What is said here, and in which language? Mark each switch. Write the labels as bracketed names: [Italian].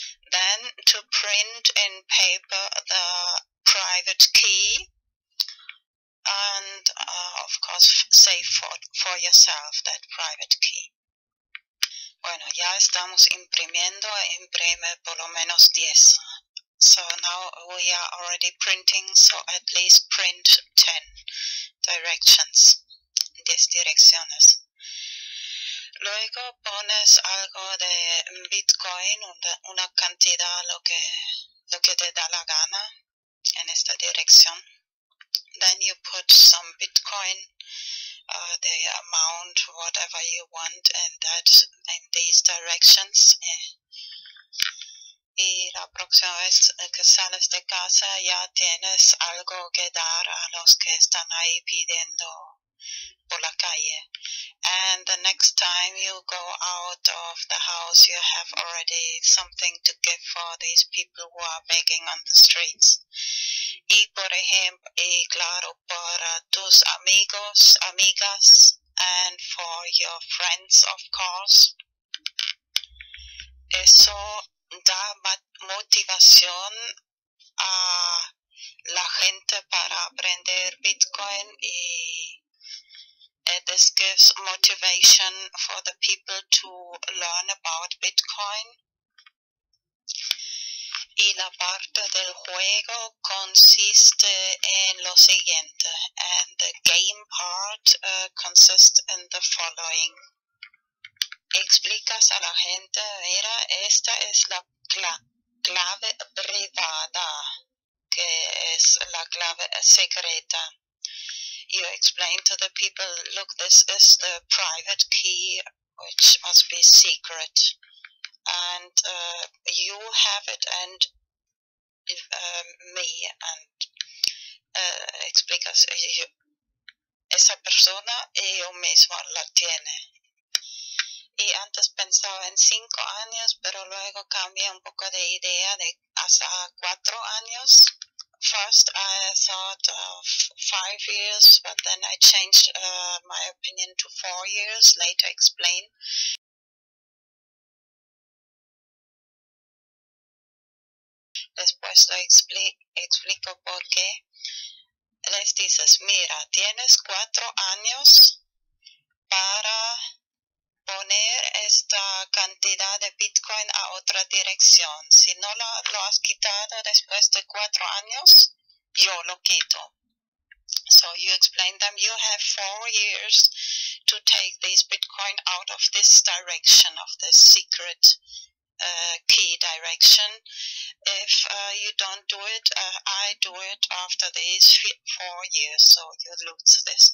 [English] Then to print in paper the private key and of course save for yourself that private key. [Spanish] Bueno, ya estamos imprimiendo, imprime por lo menos 10. [English] So now we are already printing, so at least print 10 directions, [Spanish] 10 direcciones. Luego pones algo de Bitcoin, una cantidad, lo que te da la gana en esta dirección. [English] Then you put some Bitcoin, the amount, whatever you want, in these directions. [Spanish] Y la próxima vez que sales de casa ya tienes algo que dar a los que están ahí pidiendo por la calle. [English] And the next time you go out of the house, you have already something to give for these people who are begging on the streets. [Spanish] Y por ejemplo, y claro, para tus amigos, amigas, [English] and for your friends, of course. [Spanish] Eso da motivación a la gente para aprender Bitcoin y [English] this gives motivation for the people to learn about Bitcoin. [Spanish] Y la parte del juego consiste en lo siguiente. [English] And the game part consists in the following. [Spanish] Explicas a la gente, mira, esta es la clave privada, que es la clave secreta. [English] You explain to the people, look, this is the private key, which must be secret. And you have it, and me, and [Spanish] explicas, yo, esa persona y yo mismo la tiene. Y antes pensaba en 5 años, pero luego cambié un poco de idea de hasta 4 años. [English] First, I thought of 5 years, but then I changed my opinion to 4 years, later explained. [Spanish] Después lo explico por qué. Les dices, mira, tienes 4 años para poner esta cantidad de Bitcoin a otra dirección. Si no lo has quitado después de 4 años, yo lo quito. [English] So you explain them, you have 4 years to take this Bitcoin out of this direction, of this secret key direction. If you don't do it, I do it after these 4 years, so you lose this.